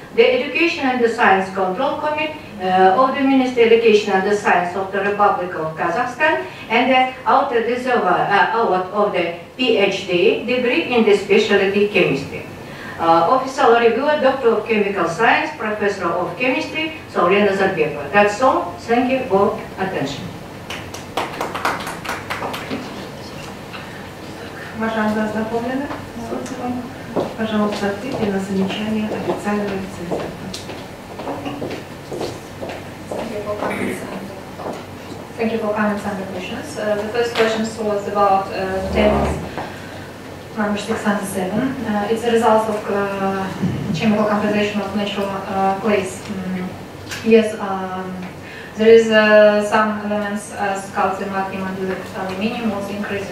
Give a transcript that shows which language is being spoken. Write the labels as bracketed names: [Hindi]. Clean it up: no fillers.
[English] the Education and the Science Control Committee of the Ministry of Education and the Science of the Republic of Kazakhstan, and the author deserver award of the PhD degree in the specialty chemistry. Official reviewer, Doctor of Chemical Science, Professor of Chemistry, Sovrena Zarbeva. That's all. Thank you for attention. [Russian] Уважаемые ознакомлены с отзывом, пожалуйста, ответьте на замечание официального лицензиата. [English] Thank you for comments and questions. The first question was about tables number 67. It's the result of chemical composition of natural clays. Yes, there is some elements as calcium, magnesium, and aluminium was increased.